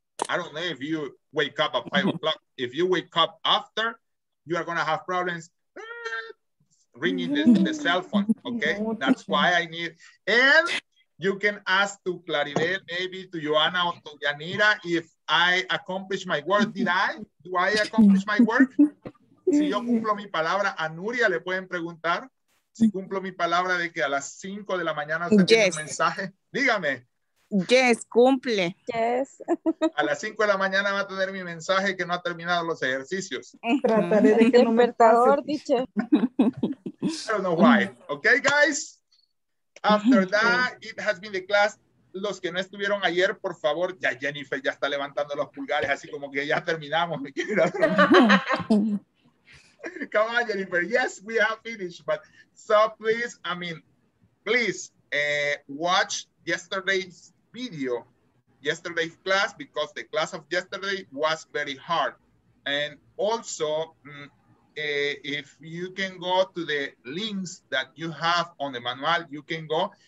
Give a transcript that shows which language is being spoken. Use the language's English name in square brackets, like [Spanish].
[English] I don't know if you wake up at 5 o'clock. If you wake up after, you are gonna have problems ringing the cell phone, okay? That's why I need, and you can ask to Claribel, maybe to Joana or to Yanira, if I accomplish my work. Do I accomplish my work? [Spanish] Si yo cumplo mi palabra, a Nuria le pueden preguntar si cumplo mi palabra de que a las 5 de la mañana se tiene un mensaje. Dígame. Yes, cumple. [English] Yes. [Spanish] A las 5 de la mañana va a tener mi mensaje que no ha terminado los ejercicios. Trataré de que no me pase. Dicho. [English] I don't know why. Okay, guys. After that, it has been the class. [Spanish] Los que no estuvieron ayer, por favor, ya Jennifer ya está levantando los pulgares, así como que ya terminamos. [English] Come on, Jennifer. Yes, we have finished. But so please, watch yesterday's video, yesterday's class, because the class of yesterday was very hard. And also, if you can go to the links that you have on the manual, you can go.